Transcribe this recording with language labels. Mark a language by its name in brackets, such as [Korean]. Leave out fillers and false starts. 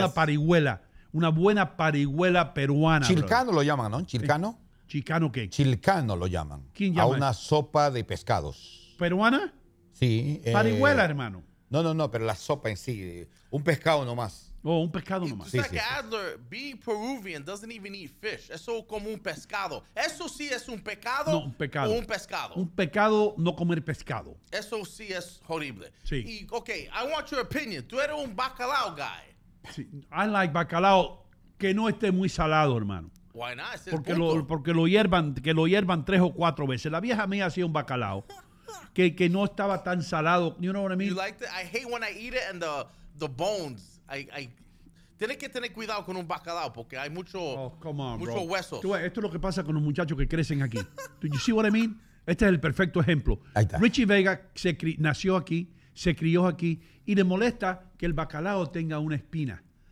[Spanish] Una parihuela. Una buena parihuela peruana. Chilcano brother. Lo llaman, ¿no? Chilcano. ¿Chicano qué? Chilcano lo llaman. ¿Quién llama? A una sopa de pescados. ¿Peruana? Sí. Parihuela, hermano. No, no, no, pero la sopa en sí, un pescado nomás. Oh, un pescado nomás. [English] It's like Adler, being Peruvian doesn't even eat fish. [Spanish] Eso es como un pescado. Eso sí es un pecado. No, un pecado. O un pescado. Un pecado no comer pescado. Eso sí es horrible. Sí. [English] Y, okay, I want your opinion. [Spanish] Tú eres un bacalao [English] guy. [Spanish] Sí, [English] I like [Spanish] bacalao que no esté muy salado, hermano. [English] Why not? Es [Spanish] porque lo hiervan 3 o 4 veces. La vieja mía hacía un bacalao. Que no estaba tan salado. [English] You know what I mean? You like that? I hate when I eat it and the bones. [Spanish] I tienes que tener cuidado con un bacalao porque hay muchos huesos. Tú, esto es lo que pasa con los muchachos que crecen aquí. [English] Do you see what I mean? [Spanish] Este es el perfecto ejemplo. Richie Vega nació aquí, se crió aquí y le molesta que el bacalao tenga una espina.